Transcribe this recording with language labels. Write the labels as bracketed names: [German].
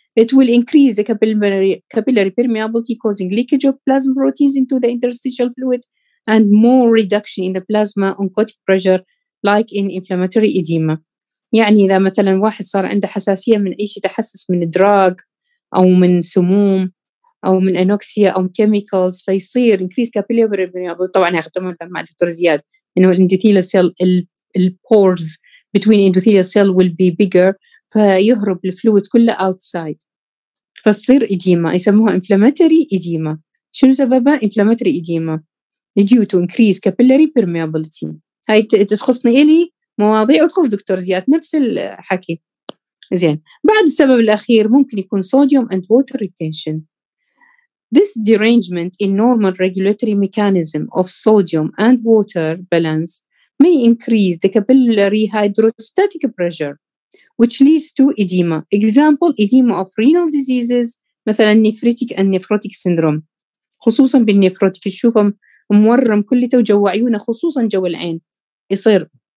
[English] It will increase the capillary permeability causing leakage of plasma proteins into the interstitial fluid and more reduction in the plasma oncotic pressure like in inflammatory edema. [Arabic] يعني إذا مثلا واحد صار عنده حساسية من أي شيء تحسس من الدراج أو من سموم أو من أنوكسيا أو من chemicals فيصير [English] increase capillary permeability. [Arabic] طبعا هختمها مع دكتور زياد إنه endothelial cell ال [English] pores between endothelial cell will be bigger [Arabic] فيهرب الفلويد كله outside فتصير إديمة يسموها inflammatory edema. شنو سببها [English] inflammatory edema due to increase capillary permeability. [Arabic] هاي تخصني إلي مواضيع وتخص دكتور زياد نفس الحكي زين. بعد السبب الأخير ممكن يكون [English] sodium and water retention. This derangement in normal regulatory mechanism of sodium and water balance may increase the capillary hydrostatic pressure which leads to edema. Example, edema of renal diseases, مثلا nephritic and nephrotic syndrome. [Arabic] خصوصا بالnephrotic تشوفهم مورم كل توجوع عيونه خصوصا جو العين يصير.